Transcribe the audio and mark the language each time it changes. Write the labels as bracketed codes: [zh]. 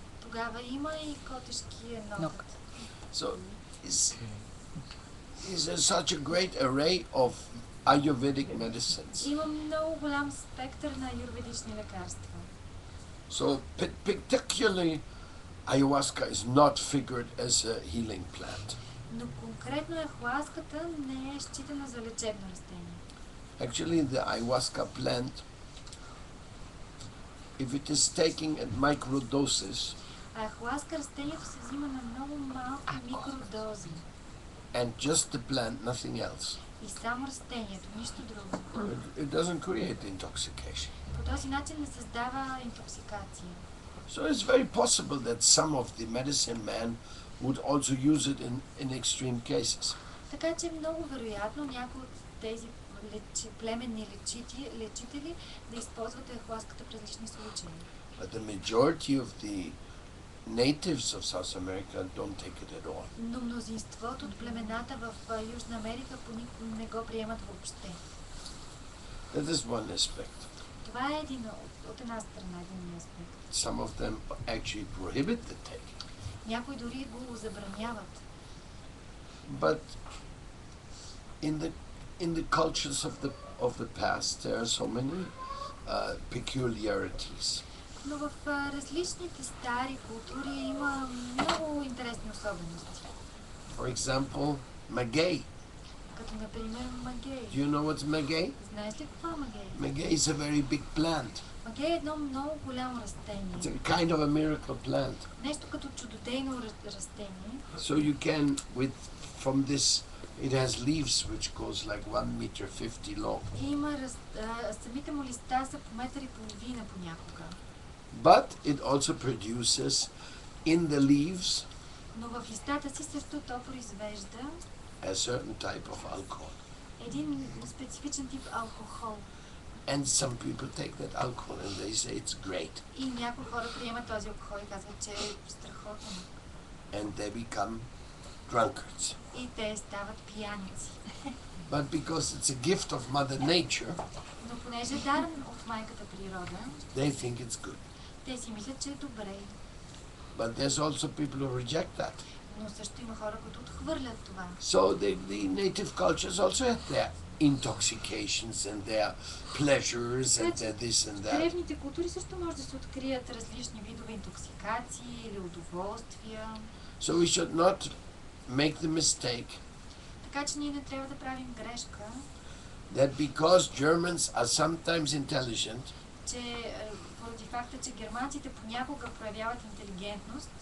[bg] Тогава има и котешкия нокът. [en] So, is there such a great array of ayurvedic medicines? [bg] Има много голям спектър на аюрведични лекарства. [en] So, particularly, ayahuasca is not figured as a healing plant. [bg] Но конкретно айхуаската не е считана за лечебно растение. [en] Actually, the ayahuasca plant, if it is taken at microdoses, [bg] айхуаска растението се взима на много малки микродози. [en] And just the plant, nothing else. [bg] И само растението, нищо друго. [en] It doesn't create intoxication. [bg] По този начин не създава интоксикация. [en] So it's very possible that some of the medicine men would also use it in extreme cases. [bg] Така че много вероятно някои от тези племенни лечители да използват айхуаската в различни случаи. [en] But the majority of the natives of South America don't take it at all. [bg] Но мнозинството от племената в Южна Америка поне не го приемат въобще. [en] That is one aspect. [bg] Това е един от една страна, един аспект. [en] Some of them actually prohibit the taking. [bg] Някои дори го забраняват. [en] But in the cultures of the past, there are so many peculiarities. [bg] Но в различните стари култури има много интересни особености. [en] For example, magay. [bg] Като например магей. [en] Do you know what's magay? [bg] Знаеш ли какво е магей? [en] Magay is a very big plant. [bg] Магей е едно много голямо растение. [en] It's a kind of a miracle plant. [bg] Нещо като чудодейно растение. [en] So you can with from this it has leaves which goes like 1.50 meters long. [bg] Има самите му листа са по метър и половина понякога. [en] But it also produces in the leaves [bg] Но в листата си също то произвежда [en] a certain type of alcohol. [bg] Един специфичен тип алкохол. [en] And some people take that alcohol and they say it's great. [bg] И някои хора приемат този алкохол и казват, че е страхотен. [en] And they become drunkards. [bg] И те стават пияници. [en] But because it's a gift of Mother Nature, [bg] Но понеже е дар от майката природа, [en] they think it's good. [bg] Те си мислят, че е добре. [en] But there's also people who reject that. [bg] Но също има хора, които отхвърлят това. [en] So the native cultures also have their intoxications and their pleasures and their this and that. [bg] Древните култури също може да се открият различни видове интоксикации или удоволствия. [en] So we should not make the mistake. [bg] Така че ние не трябва да правим грешка. [en] That because Germans are sometimes intelligent. [bg] Че поради факта, че германците понякога проявяват интелигентност.